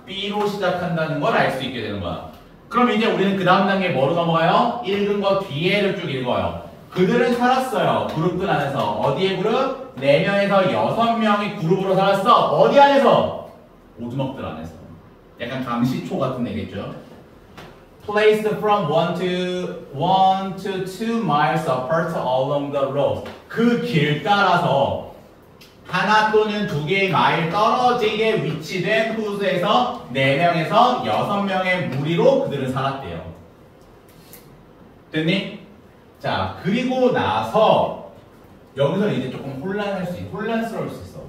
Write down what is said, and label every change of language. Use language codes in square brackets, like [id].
[ko] B로 시작한다는 걸 알 수 있게 되는 거야. 그럼 이제 우리는 그 다음 단계 뭐로 넘어가요? 읽은 거 뒤에를 쭉 읽어요. 그들은 살았어요. 그룹들 안에서. 어디의 그룹? 4명에서 6명이 그룹으로 살았어. 어디 안에서? 오두막들 안에서. 약간 감시초 같은 애겠죠? [en] Placed from 1 to 2 miles apart along the road. [ko] 그 길 따라서 하나 또는 두 개의 마일 떨어지게 위치된 후수에서 4명에서 6명의 무리로 그들은 살았대요. 됐니? 자, 그리고 나서 여기서 이제 조금 혼란할 수 있, 혼란스러울 수 있어.